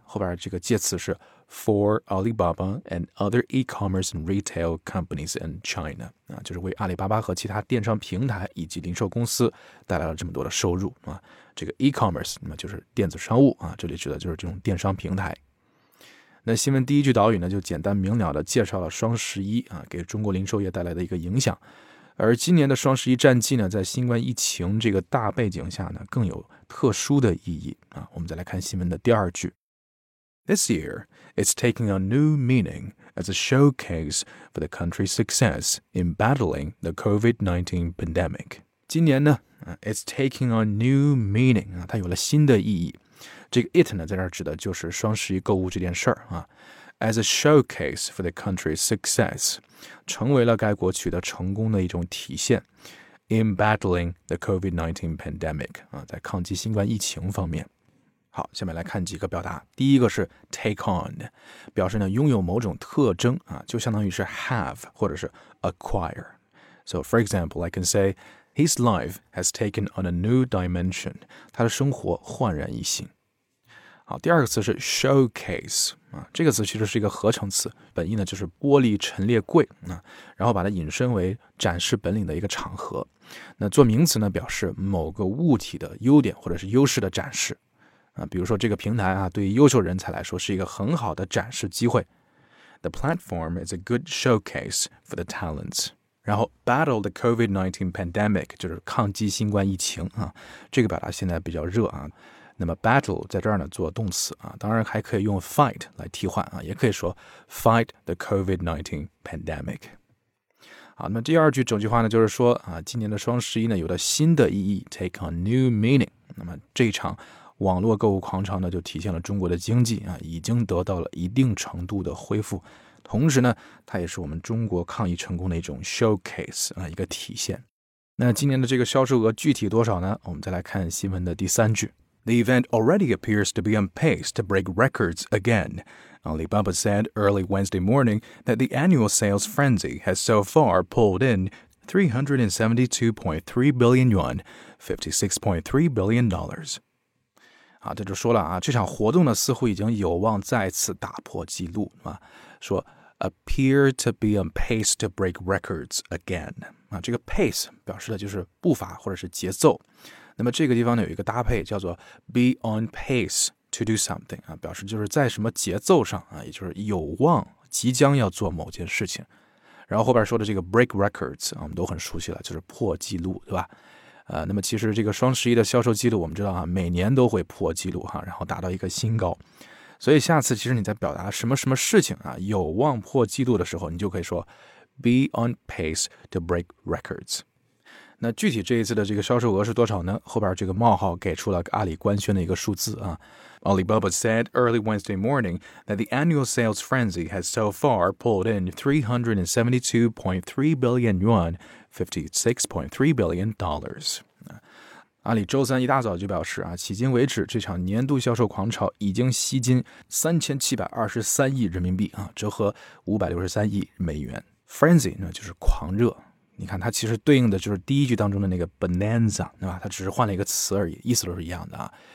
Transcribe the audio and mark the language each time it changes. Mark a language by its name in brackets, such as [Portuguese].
[Chinese] 后边这个介词是 [English] for Alibaba and other e-commerce and retail companies in China, [Chinese] 就是为阿里巴巴和其他电商平台以及零售公司带来了这么多的收入，这个 e-commerce 那么就是电子商务，这里指的就是这种电商平台。那新闻第一句导语呢就简单明了的介绍了双十一，给中国零售业带来的一个影响。而今年的双十一战绩呢，在新冠疫情这个大背景下呢，更有特殊的意义啊。我们再来看新闻的第二句。 [English] This year, it's taking a new meaning as a showcase for the country's success in battling the COVID-19 pandemic. [Chinese] 今年呢 , [English] it's taking a new meaning, [Chinese] 它有了新的意义。这个 it 呢在这儿指的就是双十一购物这件事儿啊。 [English] As a showcase for the country's success, [Chinese] 成为了该国取得成功的一种体现。 [English] In battling the COVID-19 pandemic, [Chinese] 啊，在抗击新冠疫情方面。好，下面来看几个表达。第一个是 take on， 表示呢拥有某种特征啊，就相当于是 have 或者是 acquire。 [English] So for example, I can say his life has taken on a new dimension， [Chinese] 他的生活焕然一新。好，第二个词是 showcase 啊，这个词其实是一个合成词，本意呢就是玻璃陈列柜啊，然后把它引申为展示本领的一个场合。那做名词呢，表示某个物体的优点或者是优势的展示。啊，比如说这个平台啊，对于优秀人才来说是一个很好的展示机会。 [English] The platform is a good showcase for the talents. [Chinese] 然后 [English] battle the COVID-19 pandemic [Chinese] 就是抗击新冠疫情啊，这个表达现在比较热啊。那么 battle 在这儿呢做动词啊，当然还可以用 fight 来替换啊，也可以说 [English] fight the COVID-19 pandemic。 [Chinese] 好，那么第二句整句话呢，就是说啊，今年的双十一呢有了新的意义 ， [English] take on new meaning。 [Chinese] 那么这一场网络购物狂潮呢，就体现了中国的经济啊，已经得到了一定程度的恢复。同时呢，它也是我们中国抗疫成功的一种 showcase 啊，一个体现。那今年的这个销售额具体多少呢？我们再来看新闻的第三句。 [English] The event already appears to be on pace to break records again. Alibaba said early Wednesday morning that the annual sales frenzy has so far pulled in 372.3 billion yuan, $56.3 billion. [Chinese] 啊，这就说了啊，这场活动呢似乎已经有望再次打破记录啊。说 [English] appear to be on pace to break records again [Chinese] 啊，这个 pace 表示的就是步伐或者是节奏。那么这个地方呢有一个搭配叫做 [English] be on pace to do something [Chinese] 啊，表示就是在什么节奏上啊，也就是有望即将要做某件事情。然后后边说的这个 [English] break records [Chinese] 啊，我们都很熟悉了，就是破记录，对吧？那么其实这个双十一的销售记录我们知道啊，每年都会破记录哈，然后达到一个新高。所以下次其实你在表达什么什么事情啊有望破记录的时候，你就可以说 [English] be on pace to break records。 [Chinese] 那具体这一次的这个销售额是多少呢？后边这个冒号给出了阿里官宣的一个数字啊。 [English] Alibaba said early Wednesday morning that the annual sales frenzy has so far pulled in 372.3 billion yuan, $56.3 billion。 [Chinese] 阿里周三一大早就表示啊，迄今为止这场年度销售狂潮已经吸金3723亿人民币啊，折合563亿美元。 Frenzy 呢就是狂热，你看它其实对应的就是第一句当中的那个 bonanza， 对吧？它只是换了一个词而已，意思都是一样的啊。